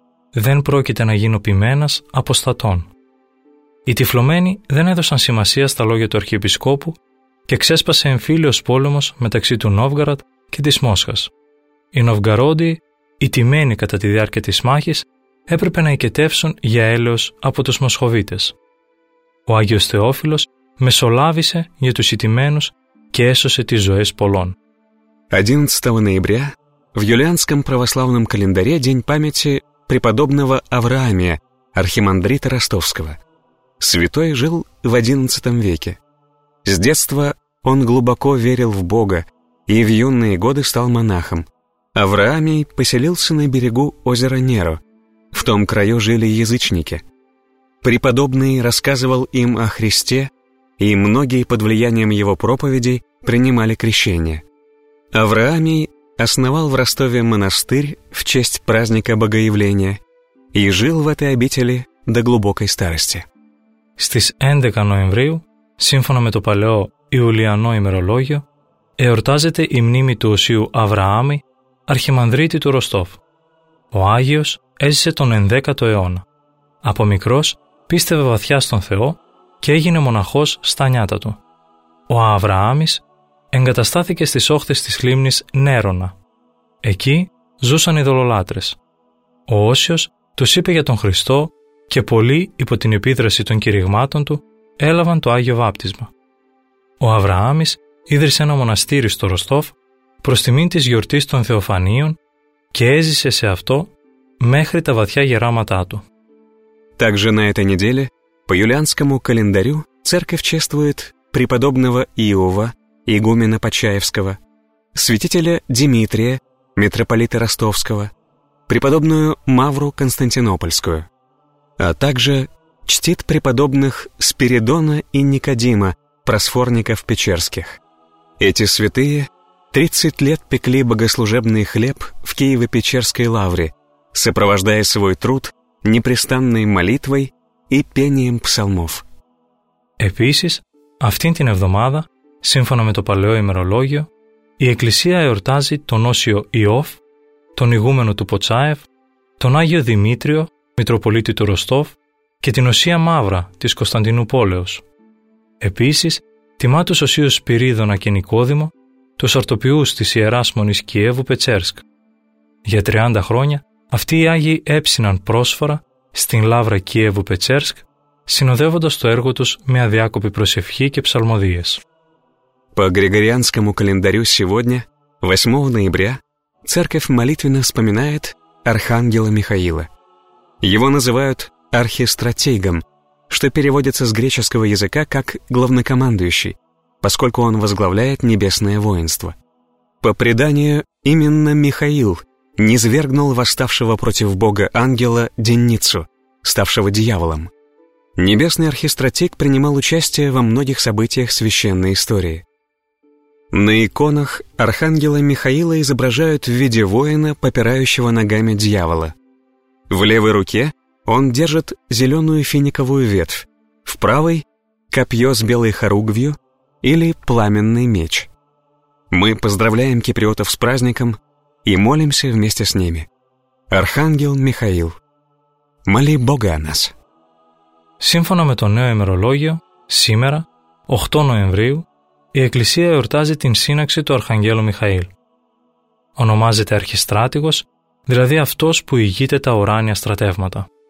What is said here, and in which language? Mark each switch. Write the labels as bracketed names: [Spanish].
[Greek] Δεν πρόκειται να γίνω ποιμένας αποστατών». Οι τυφλωμένοι δεν έδωσαν σημασία στα λόγια του Αρχιεπισκόπου και ξέσπασε εμφύλιος πόλεμος μεταξύ του Νόβγαρατ και της Μόσχας. Οι Νοβγαρόντιοι, ιτημένοι κατά τη διάρκεια της μάχης, έπρεπε να οικετεύσουν για έλεος από τους Μοσχοβίτες. Ο Άγιος Θεόφιλος μεσολάβησε για τους ιτημένους και έσωσε τις ζωές πολλών. 11 Νοεμβρίου, [Russian] в юлианском православном календаре день памяти преподобного Авраамия, архимандрита Ростовского. Святой жил в XI веке. С детства он глубоко верил в Бога и в юные годы стал монахом. Авраамий поселился на берегу озера Неро. В том краю жили язычники. Преподобный рассказывал им о Христе, и многие под влиянием его проповедей принимали крещение. Авраамий основал в Ростове монастырь в честь праздника Богоявления и жил в этой обители до глубокой старости. [Greek] Στις 11 Νοεμβρίου, σύμφωνα με το παλαιό Ιουλιανό ημερολόγιο, εορτάζεται η μνήμη του Οσίου Αβραάμι, αρχιμανδρίτη του Ροστόφ. Ο Άγιος έζησε τον 11ο αιώνα. Από μικρός πίστευε βαθιά στον Θεό και έγινε μοναχός στα νιάτα του. Ο Αβραάμις εγκαταστάθηκε στις όχθες της λίμνης Νέρονα. Εκεί ζούσαν οι δολολάτρες. Ο Όσιος τους είπε για τον Χριστό και πολλοί υπό την επίδραση των κηρυγμάτων του έλαβαν το Άγιο Βάπτισμα. Ο Αβραάμις ίδρυσε ένα μοναστήρι στο Ροστόφ προς τιμήν της γιορτής των Θεοφανίων και έζησε σε αυτό μέχρι τα βαθιά γεράματά του. [Russian] Также на этой неделе по юлианскому календарю церковь чествует преподобного Иова, игумена Почаевского, святителя Димитрия, митрополита Ростовского, преподобную Мавру Константинопольскую, а также чтит преподобных Спиридона и Никодима, просфорников печерских. Эти святые 30 лет пекли богослужебный хлеб в Киево-Печерской лавре, сопровождая свой труд непрестанной молитвой и пением псалмов. [Greek] Эписис, αυτήν την εβδομάδα, σύμφωνα με το παλαιό ημερολόγιο, η Εκκλησία εορτάζει τον Όσιο Ιώφ, τον ηγούμενο του Ποτσάεφ, τον Άγιο Δημήτριο, Μητροπολίτη του Ροστόφ και την Οσία Μαύρα της Κωνσταντινούπολεως. Επίσης, τιμά τους Οσίους Σπυρίδωνα και Νικόδημο, τους αρτοπιούς της Ιεράς Μονής Κιέβου Πετσέρσκ. Για 30 χρόνια Αυτοί οι Άγιοι έψιναν πρόσφορα στην Λαύρα Κίεβου Πετσέρσκ, συνοδεύοντας το έργο τους με αδιάκοπη προσευχή και ψαλμωδίες. [Russian] По Григорианскому календарю сегодня, 8 ноября, церковь молитвенно вспоминает Архангела Михаила. Его называют архистратегом, что переводится с греческого языка как «главнокомандующий», поскольку он возглавляет небесное воинство. По преданию, именно Михаил низвергнул восставшего против Бога ангела Денницу, ставшего дьяволом. Небесный архистратег принимал участие во многих событиях священной истории. На иконах архангела Михаила изображают в виде воина, попирающего ногами дьявола. В левой руке он держит зеленую финиковую ветвь, в правой — копье с белой хоругвью или пламенный меч. Мы поздравляем киприотов с праздником и молимся вместе с ними. Архангел Михаил, моли Бога о нас. [Greek] Σύμφωνα με το νέο ημερολόγιο, σήμερα, 8 Νοεμβρίου, η Εκκλησία εορτάζει την σύναξη του Αρχαγγέλου Μιχαήλ. Ονομάζεται Αρχιστράτηγος, δηλαδή αυτός που ηγείται τα ουράνια στρατεύματα.